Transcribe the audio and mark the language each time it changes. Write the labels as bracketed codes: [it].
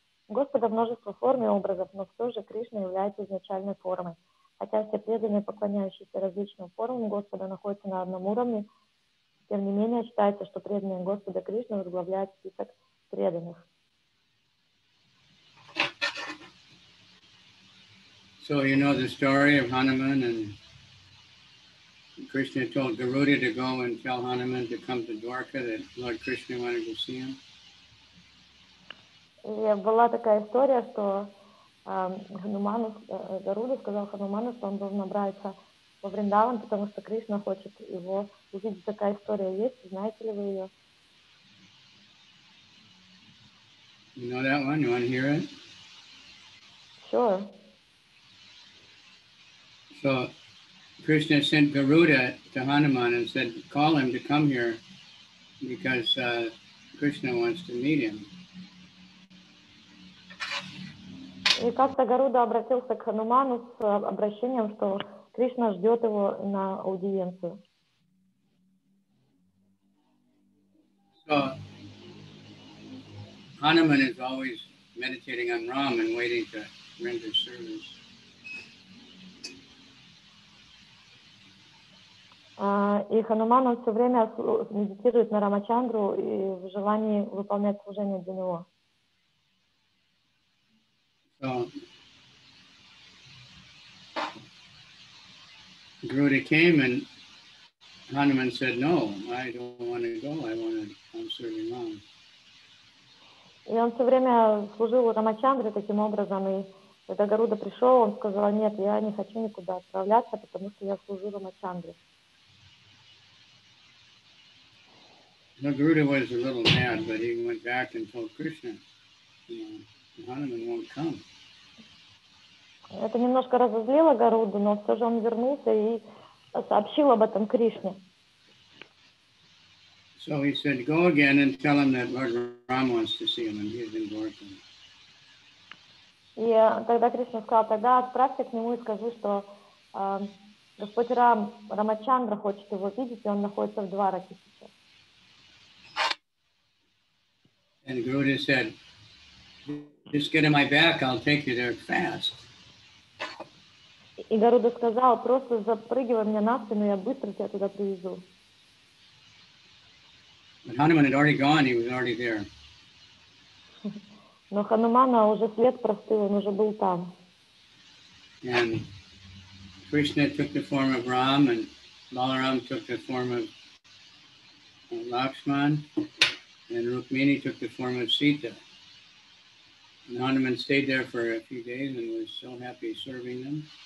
[ru] Господа множество форм и образов, но все же Кришна является изначальной формой. Хотя все преданные, поклоняющиеся различным формам Господа, находятся на одном уровне, тем не менее, считается, что преданные Господа Кришны возглавляют список преданных. [en] So you know the story of Hanuman, and Krishna told Garuda to go and tell Hanuman to come to Dwarka, that Lord Krishna wanted to see him. [ru] И была такая история, что Хануману, Гаруда сказал Хануману, что он должен набраться во Вриндаван, потому что Кришна хочет его увидеть. Такая история есть, знаете ли вы ее? [en] You know that one? You want to hear it? Sure. So, Krishna sent Garuda to Hanuman and said, call him to come here because Krishna wants to meet him. [ru] И как-то Гаруда обратился к Хануману с обращением, что Кришна ждет его на аудиенцию. [en] So, Hanuman is always meditating on Ram and waiting to render service. [ru] И Хануман все время медитирует на Рамачандру и в желании выполнять служение для него. [en] So, Garuda came and Hanuman said, no, I don't want to go, I'm serving Ram. [ru] И он все время служил у Рамачандры таким образом, и когда Гаруда пришел, он сказал, нет, я не хочу никуда отправляться, потому что я служу Рамачандре. [en] So Garuda was a little mad, but he went back and told Krishna, you know, Hanuman won't come. [ru] Это немножко разозлило Гаруду, но все же он вернулся и сообщил об этом Кришне. [en] So he said, go again and tell him that Lord Ram wants to see him and he's in Dwarka. [ru] И тогда Кришна сказал, тогда отправься к нему и скажи, что Господь Рам, Рамачандра хочет его видеть, и он находится в Двараке сейчас. [en] And Garuda said, just get on my back, I'll take you there fast. [ru] И Гаруда сказал, просто запрыгивай мне на спину, я быстро тебя туда привезу. [en] But Hanuman had already gone, he was already there. [ru] Но Ханумана уже след простыл, он уже был там. [en] And Krishna took the form of Ram, and Balaram took the form of Lakshman, and Rukmini took the form of Sita. And Hanuman stayed there for a few days and was so happy serving them.